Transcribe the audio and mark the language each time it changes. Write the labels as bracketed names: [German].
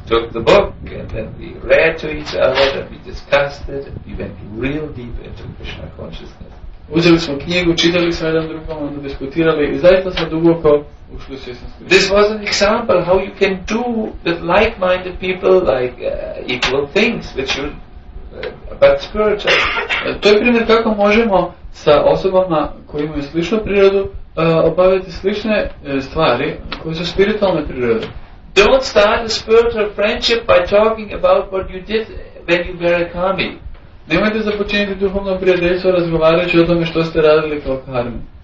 [English] Took the book, and then we read to each other, and we discussed it, and we went real deep into Krishna consciousness. [Croatian] Uzeli smo knjigu, čitali smo jedan drugom, onda diskutirali i zaista smo duboko ušli u svjesnost. [English] This was an example how you can do with like-minded people like equal things, which you about spiritual. [Croatian] To je primjer kako možemo sa osobama koji imaju sličnu prirodu obaviti slične stvari koje su spiritualne prirode. [English] Don't start a spiritual friendship by talking about what you did when you were a karmi. [Croatian] Nemojte započiniti duhovno prijateljstvo razgovarajući o tome što ste radili kao karmi.